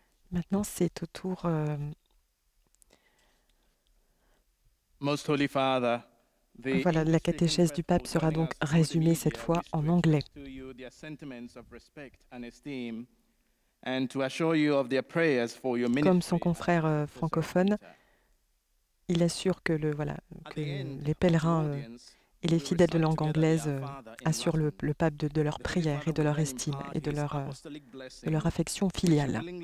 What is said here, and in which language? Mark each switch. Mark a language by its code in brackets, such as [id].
[fr] Maintenant, c'est au tour. [en] Most Holy Father, the [fr] voilà, la catéchèse du pape sera donc résumée cette fois en anglais. [en] To you their sentiments of respect and esteem, and to assure you of their prayers for your ministry. [fr] Comme son confrère francophone, il assure que que les pèlerins et les fidèles de langue anglaise assurent le pape de leur prière et de leur estime et de leur affection filiale.